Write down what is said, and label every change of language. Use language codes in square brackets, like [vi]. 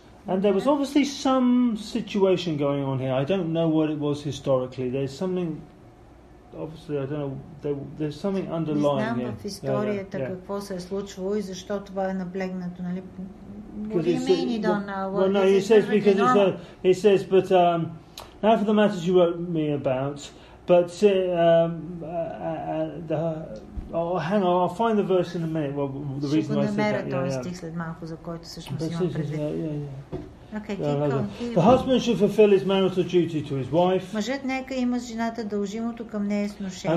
[en] And there was obviously some situation going on here. I don't know what it was historically. There's something... Obviously, I don't know. There's something underlying here. [bg] Не знам в историята какво се е случвало и защо това е наблегнато, нали? [en] It says, but now for the matters you wrote me about, but hang on, I'll find the verse in a minute. Well, the reason I said that. The husband should fulfill his marital duty to his wife. [bg] Мъжът нека има с жената дължимото към нея сношение.